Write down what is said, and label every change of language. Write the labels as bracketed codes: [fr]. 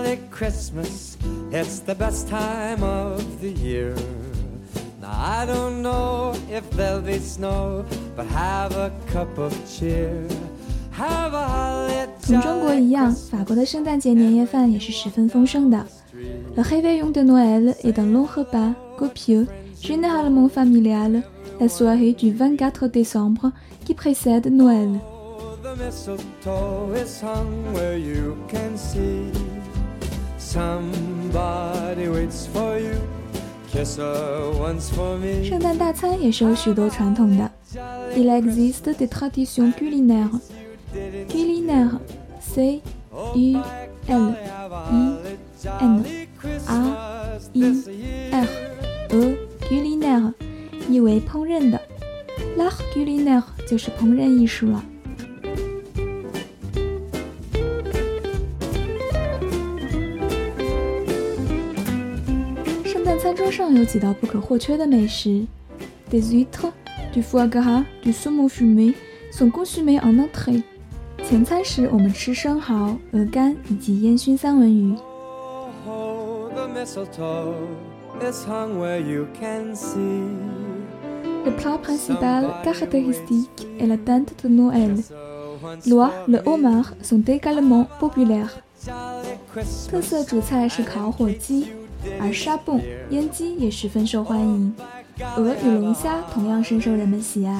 [en] Christmas, it's the best time of the year. Now I don't know if there'll be snow, but have a cup of cheer. Have a holly jolly Christmas. [zh] 同中国一样，法国的圣诞节年夜饭也是十分丰盛的。 [fr] Le réveillon de Noël est un long repas copieux, généralement familial, la soirée du 24 décembre qui précède Noël. [en] The mistletoe is hung where you can see. Somebody waits for you, kiss her once for me. [zh] 圣诞大餐也是有许多传统的。 [fr] Il existe des traditions culinaires. [zh] Culinaires, C-U-L-I-N-A-I-R-E, culinaires, 意为烹饪的。 L'art culinaire 就是烹饪艺术了。餐桌上有几道不可或缺的美食。 [fr] Des huîtres, du foie gras, du saumon fumé sont consommés en entrée. [zh] 前餐时我们吃生蚝、鹅肝以及烟熏三文鱼。 [en] Oh, the mistletoe is hung where you can see. [fr] Le plat principal caractéristique est la dinde de Noël. L'oie, le homard sont également populaires. [zh] 特色主菜是烤火鸡。而沙蹦、烟鸡也十分受欢迎，鹅与龙虾同样深受人们喜爱。